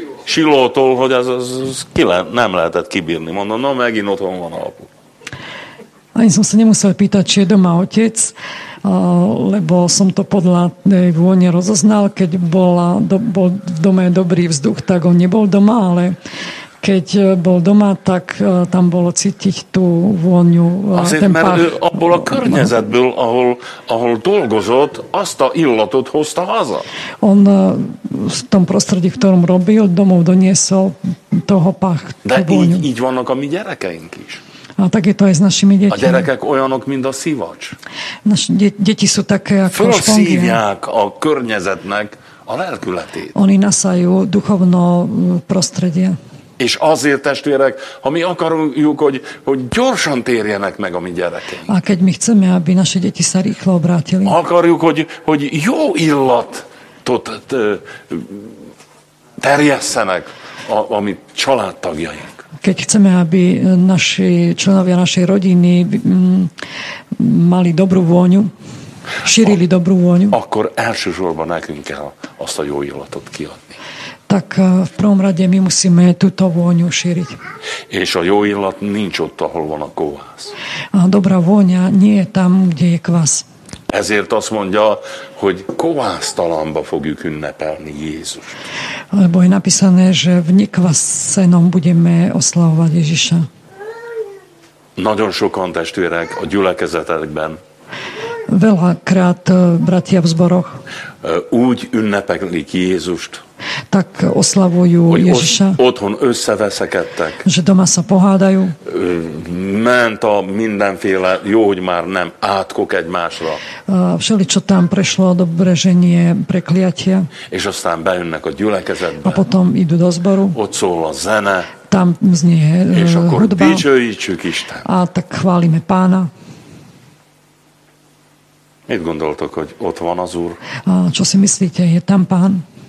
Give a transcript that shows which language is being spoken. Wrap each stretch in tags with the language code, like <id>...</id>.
<hu>Silótól, hogy az ki nem lehetett kibírni. Mondom, na megint otthon van a apu.</hu> <sk>Ani som sa nemusel pýtať, či je doma otec, lebo som to podľa tej vône rozoznal, keď bol v dome dobrý vzduch, tak on nebol doma, ale keď bol doma, tak tam bolo cítiť tú vôňu, ten pach. Asi,</sk> <hu>mert abból a környezetből, ahol dolgozott, azt a illatot hozta haza.</hu> <sk>On v tom prostredí, ktorom robil, domov doniesol toho pach, tú vôňu.</sk> <hu>De így vannak a mi gyerekeink is.</hu> <sk>A tak je to aj s našimi deťmi.</sk> <hu>A gyerekek olyanok, mint a szivacs.</hu> <sk>Deti sú také ako špongy.</sk> <hu>Fölszívják a környezetnek a lelkületét.</hu> <sk>Oni nasajú duchovno prostredie.</sk> <hu>És azért, testvérek, ha mi akarjuk, hogy gyorsan térjenek meg a mi gyerekeink.</hu> <sk>A keď my chceme, aby naše deti sa rýchlo obrátili.</sk> <hu>Akarjuk, hogy jó illatot terjesszenek a mi családtagjaink.</hu> <sk>Keď chceme, aby naši členovia našej rodiny mali dobrú vôňu, šírili dobrú vôňu.</sk> <hu>Akkor elsősorban nekünk kell azt a jó illatot kiadni.</hu> <sk>Tak v prvom rade my musíme túto vôňu šíriť.</sk> <hu>És a jó illat nincs ott, ahol van a kovász.</hu> <sk>A dobrá vôňa nie je tam, kde je kvás.</sk> <hu>Ezért azt mondja, hogy kovásztalanba fogjuk ünnepelni Jézust.</hu> <sk>Lebo je napísané, že v nekvasenom budeme oslavovať Ježiša.</sk> <hu>Nagyon sokan, testvérek, a gyülekezetekben.</hu> <sk>Veľakrát bratia v zboroch.</sk> <hu>Úgy ünnepelik Jézust.</hu> <sk>Tak oslavujú Ježiša.</sk> <hu>Otthon összeveszekedtek.</hu> <sk>Že doma sa pohádajú.</sk> <hu>Ment a mindenféle, jó, hogy már nem, átkok egymásra.</hu> <sk>Všeličo tam prešlo, dobre, že nie prekliatia.</sk> <hu>És aztán bejönnek a gyülekezetbe.</hu> <sk>A potom idú do zboru.</sk> <hu>Ott szól a zene.</hu> <sk>Tam znie hudba.</sk> <hu>És akkor dicsőítsük Isten.</hu> <sk>A tak chválime pána.</sk> <hu>Mit gondoltok, hogy ott van az Úr?</hu> <sk>A čo si myslíte, je tam pán?</sk>